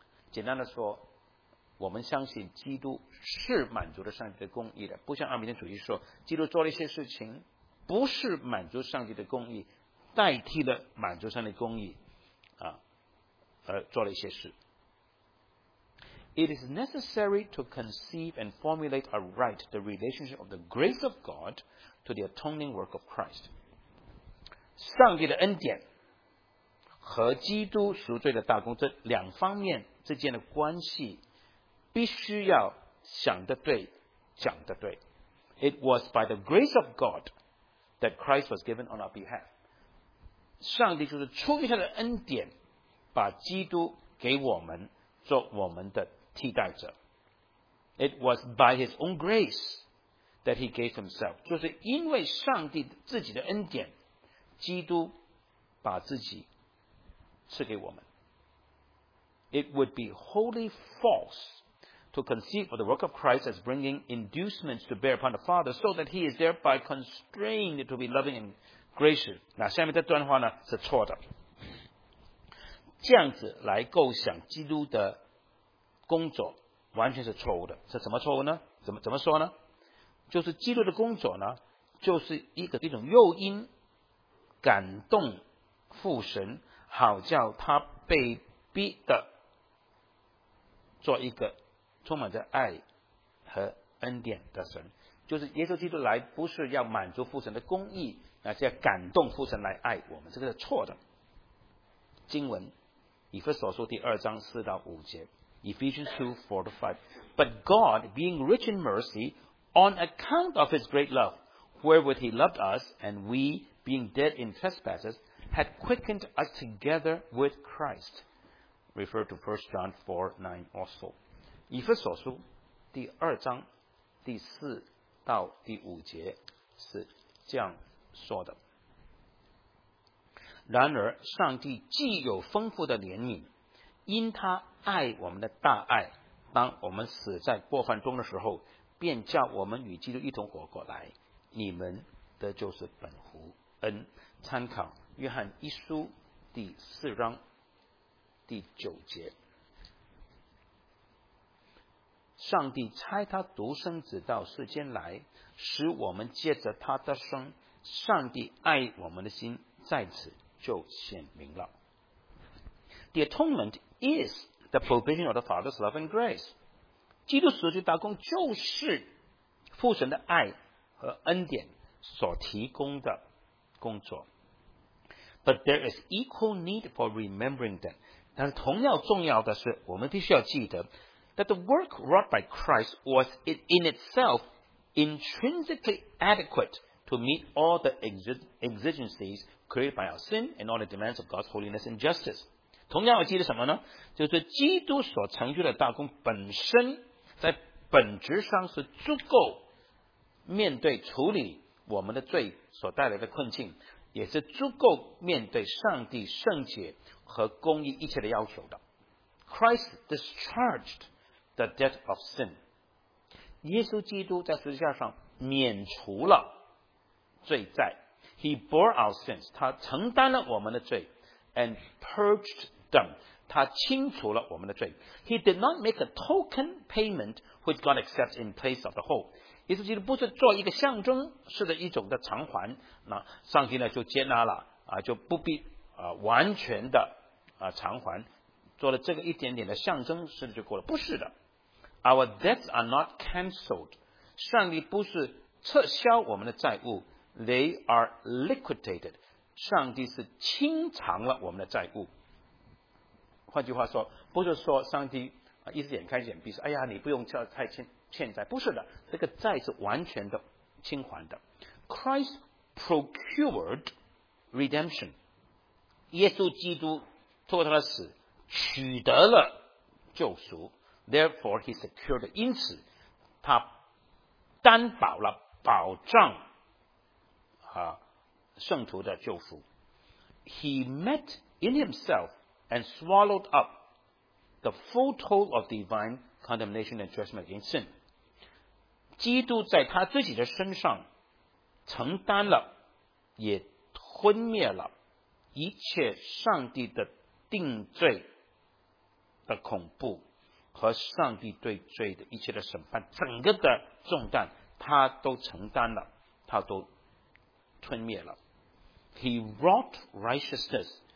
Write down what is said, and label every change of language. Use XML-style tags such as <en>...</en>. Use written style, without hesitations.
<zh>简单的说，我们相信基督是满足了上帝的公义的，不像阿米天主义说基督做了一些事情不是满足上帝的公义，代替了满足上帝的公义而做了一些事。</zh> <en>It is necessary to conceive and formulate aright the relationship of the grace of God to the atoning work of Christ.</en> <zh>上帝的恩典和基督赎罪的大功，这两方面之间的关系必须要想得对，讲得对。</zh> <en>It was by the grace of God that Christ was given on our behalf.</en> <zh>上帝就是出于他的恩典把基督给我们做我们的替代者。</zh> <en>It was by his own grace that he gave himself.</en> <zh>就是因为上帝自己的恩典，基督把自己赐给我们。</zh> <en>It would be wholly false to conceive of the work of Christ as bringing inducements to bear upon the Father so that he is thereby constrained to be loving and gracious.</en> <zh>那下面这段话呢是错的，这样子来构想基督的工作完全是错误的。是什么错误呢？怎么说呢？就是基督的工作呢，就是一种诱因，感动父神，好叫他被逼的做一个充满着爱和恩典的神。就是耶稣基督来不是要满足父神的公义，而是要感动父神来爱我们，这个是错的。经文以弗所书第二章四到五节，</zh> <en>Ephesians 2:4-5， But God, being rich in mercy, on account of his great love, wherewith he loved us, and we, being dead in trespasses, had quickened us together with Christ. Refer to 1 John 4:9 also.</en> <zh>以弗所书第二章第四到第五节是这样说的，然而上帝既有丰富的怜悯，因他爱我们的大爱，当我们死在过犯中的时候，便叫我们与基督一同活过来，你们的就是本乎恩。参考约翰一书第四章第九节，上帝差他独生子到世间来，使我们借着他的生，上帝爱我们的心在此就显明了。</zh> <en>The atonement is the provision of the Father's love and grace.</en> <zh>基督赎罪大功就是父神的爱和恩典所提供的工作。</zh> <en>But there is equal need for remembering that.</en> <zh>但是同样重要的是，我们必须要记得</zh> <en>that the work wrought by Christ was in itself intrinsically adequate to meet all the exigencies created by our sin and all the demands of God's holiness and justice.</en> <zh>同样我记得什么呢？就是基督所成就的大功本身在本质上是足够面对处理我们的罪所带来的困境，也是足够面对上帝圣洁和公义一切的要求的。</zh> <en>Christ discharged the debt of sin.</en> <zh>耶稣基督在十字架上免除了罪债，</zh> <en>He bore our sins，</en> <zh>他承担了我们的罪，</zh> <en>and purged them，</en> <zh>他清除了我们的罪。</zh> <en>He did not make a token payment which God accepts in place of the whole。</en> <zh>耶稣基督不是做一个象征式的一种的偿还，那上帝呢就接纳了就不必完全的偿还，做了这个一点点的象征式的就过了，不是的。</zh> <en>Our debts are not cancelled.</en> <zh>上帝不是撤销我们的债务。</zh> <en>They are liquidated.</en> <zh>上帝是清偿了我们的债务。换句话说，不是说上帝一只眼开一只眼闭，说哎呀你不用交太欠债，不是的，这个债是完全的清还的。</zh> <en>Christ procured redemption，</en> <zh>耶稣基督透过他的死取得了救赎。</zh> <en>Therefore he secured，</en> <zh>因此他担保了保障啊圣徒的救赎。</zh> <en>He met in himselfand swallowed up the full toll of divine condemnation and judgment against sin.</en> <zh>基督在他自己的身上承担了，也吞灭了一切上帝的定罪的恐怖和上帝对罪的一切的审判，整个的重担他都承担了，他都吞灭了。</zh> <en>He wrought righteousness.</en>